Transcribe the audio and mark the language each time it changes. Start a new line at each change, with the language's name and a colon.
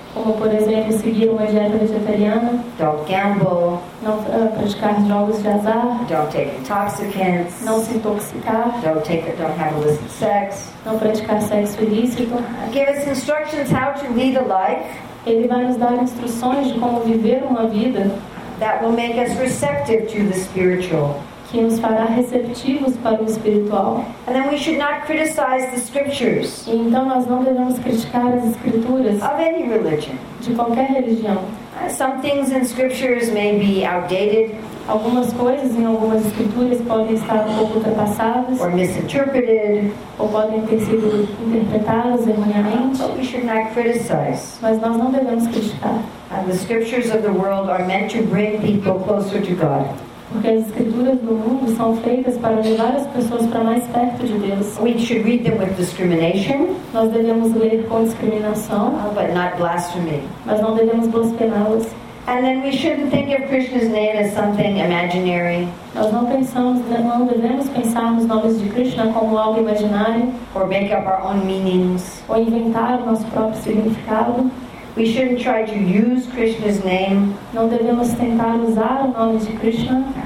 Portuguese: Como por exemplo seguir uma dieta vegetariana.
English: Don't gamble.
Portuguese: Não praticar jogos de azar.
English: Don't take intoxicants.
Portuguese: Não se intoxicar.
English: Don't have illicit sex.
Portuguese: Não praticar sexo ilícito.
English: Give us instructions how to lead a life.
Portuguese: Ele vai nos dar instruções de como viver uma vida.
English: That will make us receptive to the spiritual.
Portuguese: Que nos fará receptivos para o espiritual.
English: And then we should not criticize the scriptures.
Portuguese: E então nós não devemos criticar as escrituras.
English: Of any religion.
Portuguese: De qualquer religião.
English: Some things in scriptures may be outdated.
Portuguese: Algumas coisas em algumas escrituras podem estar um pouco ultrapassadas.
English: Or misinterpreted.
Portuguese: Ou podem ter sido interpretadas erroneamente.
English: But we should not criticize.
Portuguese: Mas nós não devemos criticar.
English: And the scriptures of the world are meant to bring people closer to God.
Portuguese: Porque as escrituras do mundo são feitas para levar as pessoas para mais perto de Deus.
English: We should read them with discrimination.
Portuguese: Nós devemos ler com discriminação.
English: But not blasphemy.
Portuguese: Mas não devemos blasfemá-las.
English: And then we shouldn't think of Krishna's name as something imaginary.
Portuguese: Nós não pensamos, não devemos pensar nos nomes de Krishna como algo imaginário.
English: Or make up our own meanings.
Portuguese: Ou inventar o nosso próprio significado.
English: We shouldn't try to use Krishna's name.
Portuguese: Não devemos tentar usar o nome de Krishna.